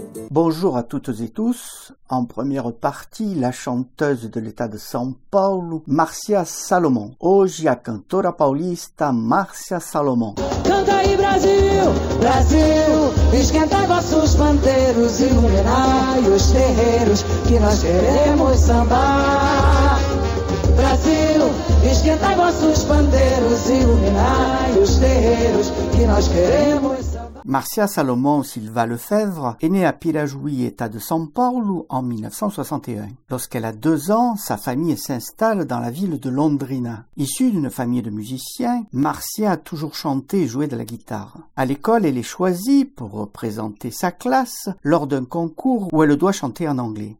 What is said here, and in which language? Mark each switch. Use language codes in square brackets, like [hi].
[fr] Bonjour à toutes et tous. En première partie, la chanteuse de l'État de São Paulo, Márcia Salomão. [pt] Hoje, a cantora paulista, Márcia Salomão. Canta aí, Brasil, Brasil, esquenta vossos panteiros, iluminai os terreiros que nós queremos sambar. Brasil, esquenta vossos panteiros, iluminai os terreiros que nós queremos. [fr] Márcia Salomão Silva Lefebvre est née à Pirajuí, État de São Paulo, en 1961. Lorsqu'elle a 2 ans, sa famille s'installe dans la ville de Londrina. Issue d'une famille de musiciens, Márcia a toujours chanté et joué de la guitare. À l'école, elle est choisie pour représenter sa classe lors d'un concours où elle doit chanter en anglais.